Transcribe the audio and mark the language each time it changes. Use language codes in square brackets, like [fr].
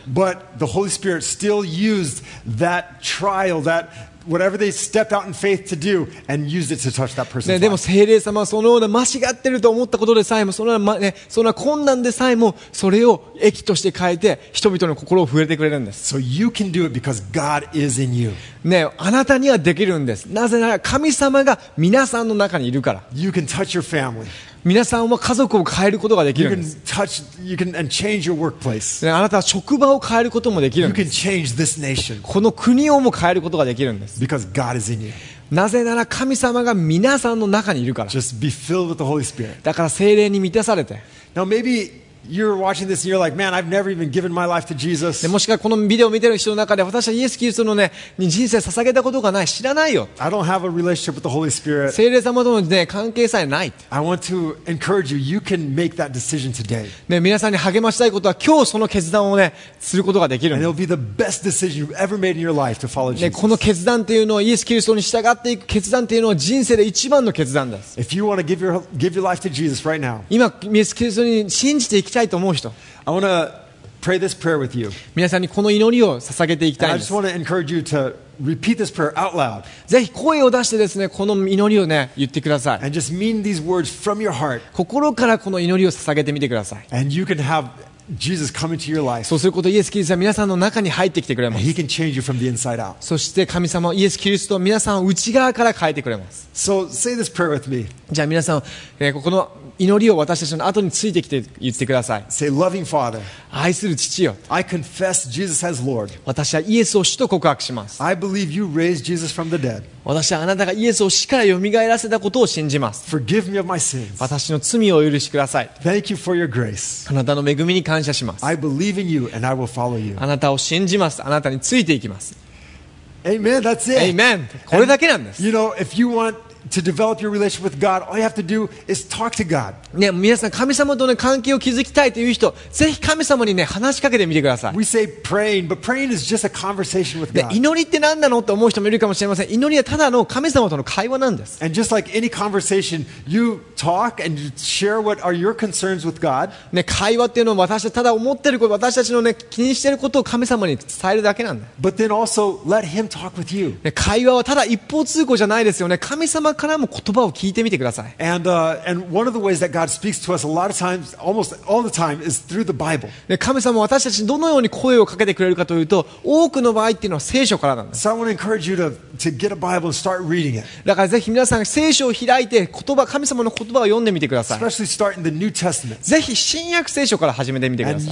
[en] But the Holy Spirit still used that trial, that whatever they stepped out in faith to do, and used it to touch that person's life. [ja] ね、でも聖霊様はそのような間違ってると思ったことでさえも、そのような、ね、そんな困難でさえも、それを益として変えて、人々の心を触れてくれるんです。 [en] So you can do it because God is in you. [ja] ね、あなたにはできるんです。なぜなら神様が皆さんの中にいるから。 [en] You can touch your family. [ja] 皆さんは家族を変えることができるんです。 [en] You can touch, you can, and change your workplace. [ja] ね、あなたは職場を変えることもできるんです。 [en] You can change this nation. [ja] この国をも変えることができるんです。 [en] Because God is in you. [ja] なぜなら神様が皆さんの中にいるから。 [en] Just be filled with the Holy Spirit. [ja] だから聖霊に満たされて。 [en] Now maybe you're watching this and you're like, man, I've never even given my life to Jesus. [ja] もしかこのビデオを見てる人の中で、私はイエス・キリストのね、に人生捧げたことがない、知らないよ。 [en] I don't have a relationship with the Holy Spirit. [ja] 聖霊様とのね、関係さえない。 [en] I want to encourage you. You can make that decision today. [ja] ね、皆さんに励ましたいことは今日その決断をね、することができる。 [en] And it'll be the best decision you've ever made in your life to follow Jesus. [ja] ね、この決断っていうのはイエス・キリストに従っていく決断っていうのは人生で一番の決断です。 [en] If you want to give your life to Jesus right now. [ja] 今、イエス・キリストに信じていきたい。 [en] I want to pray this prayer with you. [ja] 皆さんにこの祈りを捧げていきたいです。 [en] I just want to encourage you to repeat this prayer out loud. [ja] ぜひ声を出してですね、この祈りをね、言ってください。 [en] And just mean these words from your heart. [ja] 心からこの祈りを捧げてみてください。 [en] And you can have Jesus come into your life. [ja] そうすることイエス・キリストは皆さんの中に入ってきてくれます。 [en] And he can change you from the inside out. [ja] そして神様イエス・キリストは皆さんを内側から変えてくれます。 [en] So say this prayer with me. [ja] じゃあ皆さん、この祈りを私たちの後についてきて言ってください。 [en] Say, loving Father, [ja] 愛する父よ。 [en] I confess Jesus as Lord. [ja] 私はイエスを主と告白します。 [en] I believe you raised Jesus from the dead. [ja] 私はあなたがイエスを死からよみがえらせたことを信じます。 [en] Forgive me of my sins. [ja] 私の罪をお許しください。 [en] Thank you for your grace. [ja] あなたの恵みに感謝します。 [en] I believe in you and I will follow you. [ja] あなたを信じます。あなたについていきます。 [en] Amen. That's it. [ja] Amen. これだけなんです。 [en] And, you know, if you wantTo develop your relationship with God, all you have to do is talk to God. [ja] ね、皆さん神様との関係を築きたいという人、ぜひ神様にね話しかけてみてください。 [en] We say praying, but praying is just a conversation with God. [ja] ね、祈りって何なのと思う人もいるかもしれません。祈りはただの神様との会話なんです。 [en] And just like any conversation, you talk and you share what are your concerns with God. [ja] ね、会話っていうのは私はただ思ってること、私たちのね気にしてることを神様に伝えるだけなんだ。 [en] But then also let Him talk with you. [ja] ね、会話はただ一方通行じゃないですよね。神様からも言葉を聞いてみてください。 [en] And one of the ways that God speaks to us a lot of times, almost all the time, is through the Bible. [ja] 神様は私たちにどのように声をかけてくれるかというと、多くの場合っていうのは聖書からなんです。 [en] So I want to encourage you to get a Bible and start reading it. [ja] だからぜひ皆さん聖書を開いて言葉、神様の言葉を読んでみてください。 [en] Especially start in the New Testament. [ja] ぜひ新約聖書から始めてみてください。